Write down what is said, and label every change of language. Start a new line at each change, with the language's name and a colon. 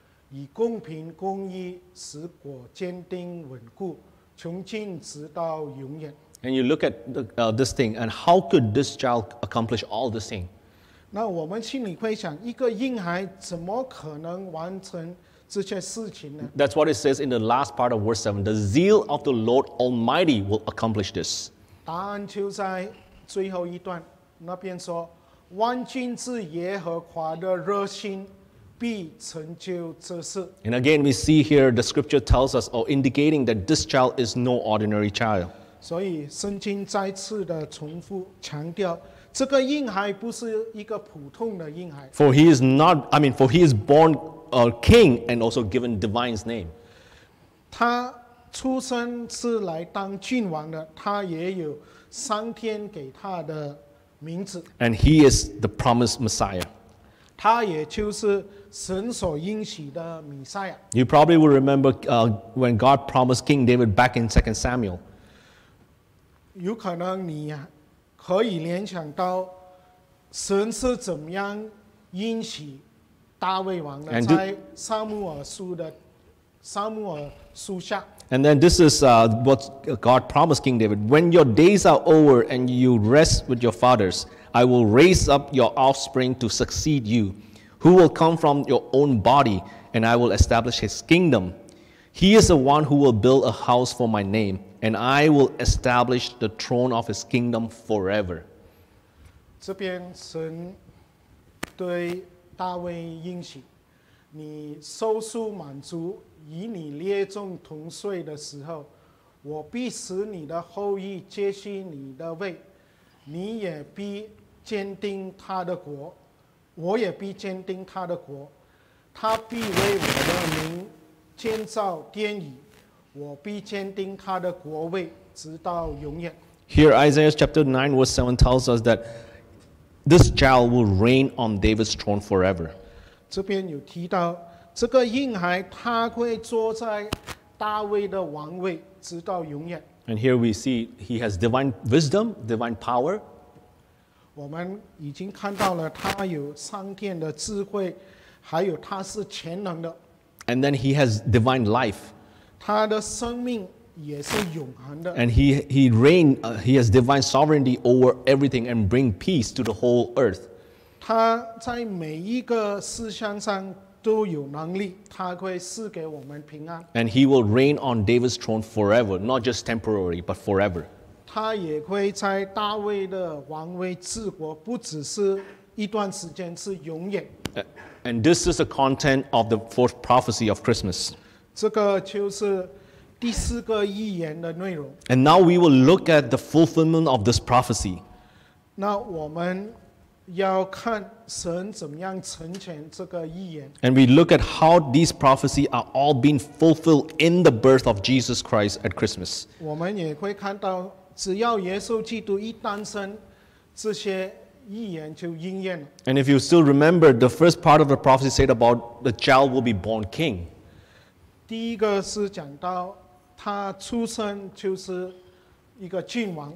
Chinese: 以公平公义使国坚定稳固，从今直到永远。
English: And you look at the, this thing, and how could this child accomplish all this thing?
Chinese: 那我们心里会想，一个婴孩怎么可能完成这些事情呢？
English: That's what it says in the last part of verse 7. The zeal of the Lord Almighty will accomplish this.
Chinese: 答案就在最后一段，那边说，万军之耶和华的热心必成就这事。
English: And again, we see here the scripture tells us or indicating that this child is no ordinary child.
Chinese: 所以圣经再次的重复强调，这个婴孩不是一个普通的婴孩。
English: For he is not, I mean, for he is born a king and also given divine's name.
Chinese: 他出生是来当君王的，他也有上天给他的名字。
English: And he is the promised Messiah.
Chinese: 他也就是神所应许的弥赛亚。
English: You probably will remember when God promised King David back in 2 Samuel.
Chinese: 有可能你可以联想到神是怎么样应许大卫王的，在撒母耳书的撒母耳书下。
English: And then this is what God promised King David. When your days are over and you rest with your fathers, I will raise up your offspring to succeed you, who will come from your own body, and I will establish his kingdom. He is the one who will build a house for my name, and I will establish the throne of his kingdom forever.
Chinese: 这边神对大卫应许，你受苦满足与你列众同睡的时候，我必使你的后裔接续你的位，你也必坚定他的国，我也必坚定他的国，他必为我的名建造殿宇，我必坚定他的国位直到永远。
English: Here Isaiah chapter 9 verse 7 tells us that this child will reign on David's throne forever.
Chinese: 这边有提到这个婴孩他会坐在大卫的王位直到永远。
English: And here we see he has divine wisdom, divine power.
Chinese: 我们已经看到了他有上天的智慧，还有他是全能的。
English: And then he has divine life.
Chinese: 他的生命也是永恒的。
English: And he reigned, he has divine sovereignty over everything and bring peace to the whole earth.
Chinese: 他在每一个事项上都有能力，他会赐给我们平安。
English: And he will reign on David's throne forever, not just temporarily, but forever.
Chinese: 他也会在大卫的王位治国，不只是一段时间，是永远。
English: And this is the content of the fourth prophecy of Christmas.
Chinese: 这个就是第四个预言的内容。
English: And now we will look at the fulfillment of this prophecy.
Chinese: 那我们要看神怎么样成全这个预言。
English: And we look at how these prophecies are all being fulfilled in the birth of Jesus Christ at Christmas.
Chinese: 我们也会看到，只要耶稣基督一诞生，这些预言就应验了。
English: And if you still remember, the first part of the prophecy said about the child will be born king.
Chinese: 第一个是讲到他出生就是一个君王。